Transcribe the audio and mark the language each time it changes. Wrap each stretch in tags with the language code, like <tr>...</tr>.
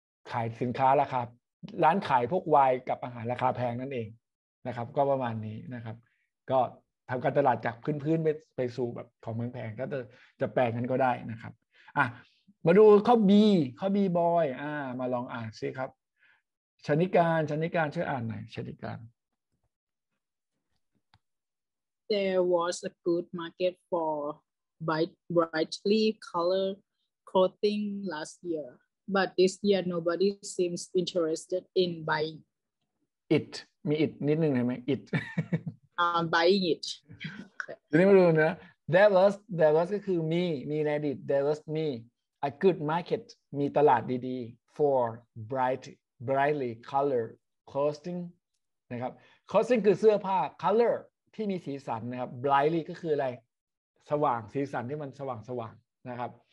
<th>ขายสินค้าราคาร้านขายพวกไวน์กับอาหารราคาแพงนั่นเองนะครับก็ประมาณนี้นะครับก็ทำการตลาดจากพื้นๆไปสู่แบบของเมืองแพงก็จะแปลงกันก็ได้นะครับอ่ะมาดูข้อ B ข้อ B boy มาลองอ่านซิครับชนิการช่วยอ่านหน่อยชนิการ</th> <en>There was a good market for brightly colored clothing last year but this year nobody seems interested in buying</en> <th>it มี it นิดนึงได้มั้ย it</th> <en>Buying it.</en> <th>ทีนี้มาดูนะ There was ก็คือมีในอดีต</th> <en>There was me a good market</en> <th>มีตลาดดีๆ</th> <en>for brightly colored clothing</en> <th>นะครับ clothing คือเสื้อผ้า color ที่มีสีสันนะครับ brightly ก็คืออะไรสว่างสีสันที่มันสว่างนะครับ</th>